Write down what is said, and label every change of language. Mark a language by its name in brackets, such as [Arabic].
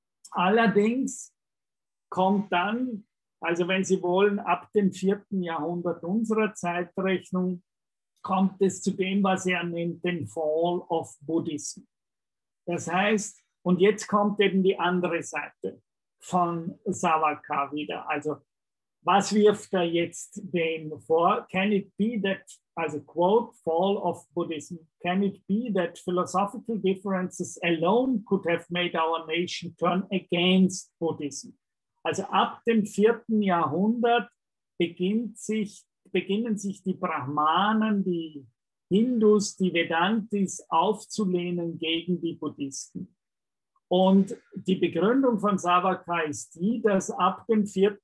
[German] Allerdings kommt dann, also wenn Sie wollen, ab dem 4. Jahrhundert unserer Zeitrechnung, kommt es zu dem, was er nennt, den Fall of Buddhism. Das heißt, und jetzt kommt eben die andere Seite von Savarkar wieder. Also was wirft er jetzt dem vor? [English] Can it be that, also quote, fall of Buddhism, can it be that philosophical differences alone could have made our nation turn against Buddhism? [German] Also ab dem 4. Jahrhundert beginnen sich die Brahmanen, die Hindus, die Vedantis aufzulehnen gegen die Buddhisten. Und die Begründung von Savarkar ist die, dass ab dem 4.